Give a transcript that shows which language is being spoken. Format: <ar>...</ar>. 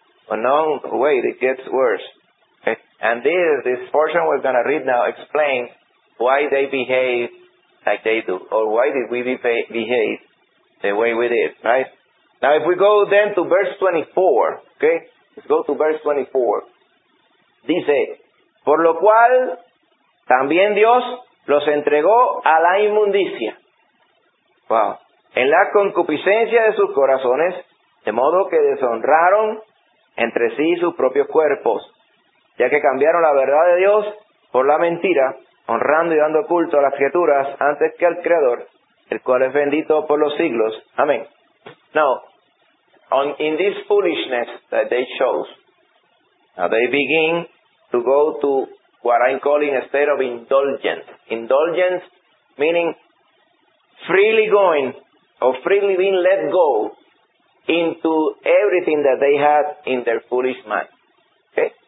<en>But no, wait, it gets worse. And this portion we're going to read now explains why they behave like they do, or why did we behave the way we did, right? Now, if we go then to verse 24, okay? Let's go to verse 24.</en> <es>Dice, por lo cual también Dios los entregó a la inmundicia. Wow. En la concupiscencia de sus corazones, de modo que deshonraron entre sí sus propios cuerpos, ya que cambiaron la verdad de Dios por la mentira, honrando y dando culto a las criaturas antes que al Creador, el cual es bendito por los siglos. Amén.</es> <en>Now, in this foolishness that they chose, now they begin to go to what I'm calling a state of indulgence. Indulgence meaning freely going or freely being let go into everything that they had in their foolish mind. Okay?</en>